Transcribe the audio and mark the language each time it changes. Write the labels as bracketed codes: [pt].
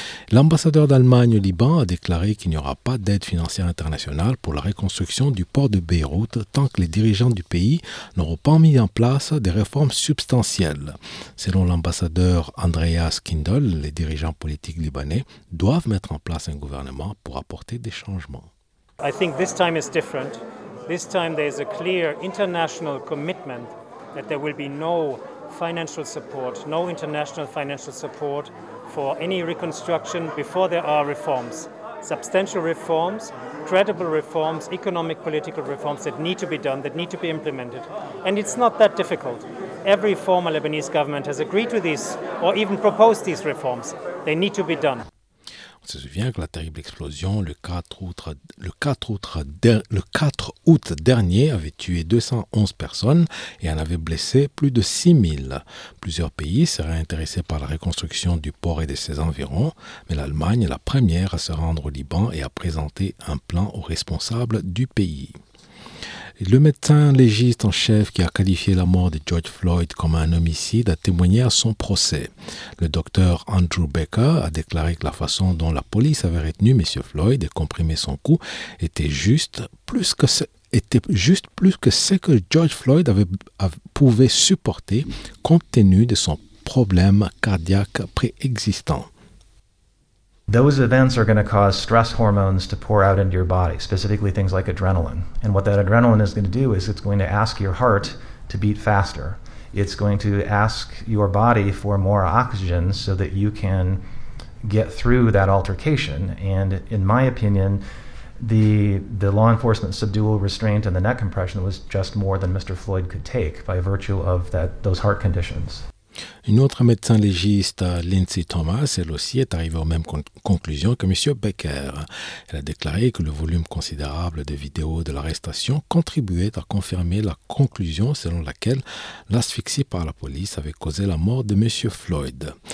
[fr] L'ambassadeur d'Allemagne au Liban a déclaré qu'il n'y aura pas d'aide financière internationale pour la reconstruction du port de Beyrouth tant que les dirigeants du pays n'auront pas mis en place des réformes substantielles. Selon l'ambassadeur Andreas Kindl, les dirigeants politiques libanais doivent mettre en place un gouvernement pour apporter des changements. [en] I think this time is different. This time there is a clear international commitment that there will be no financial support, no international financial support for any reconstruction before there are reforms, substantial reforms, credible reforms, economic political reforms that need to be done, that need to be implemented. And it's not that difficult. Every former Lebanese government has agreed to these or even proposed these reforms. They need to be done. [fr] On se souvient que la terrible explosion le 4 août dernier avait tué 211 personnes et en avait blessé plus de 6000. Plusieurs pays seraient intéressés par la reconstruction du port et de ses environs, mais l'Allemagne est la première à se rendre au Liban et à présenter un plan aux responsables du pays. Le médecin légiste en chef qui a qualifié la mort de George Floyd comme un homicide a témoigné à son procès. Le docteur Andrew Baker a déclaré que la façon dont la police avait retenu M. Floyd et comprimé son cou était juste plus que ce que George Floyd pouvait supporter compte tenu de son problème cardiaque préexistant. [en] Those events are going to cause stress hormones to pour out into your body, specifically things like adrenaline. And what that adrenaline is going to do is it's going to ask your heart to beat faster. It's going to ask your body for more oxygen so that you can get through that altercation. And in my opinion, the law enforcement subdual restraint and the neck compression was just more than Mr. Floyd could take by virtue of those heart conditions. [fr] Une autre médecin légiste, Lindsay Thomas, elle aussi est arrivée aux mêmes conclusions que M. Baker. Elle a déclaré que le volume considérable de vidéos de l'arrestation contribuait à confirmer la conclusion selon laquelle l'asphyxie par la police avait causé la mort de M. Floyd.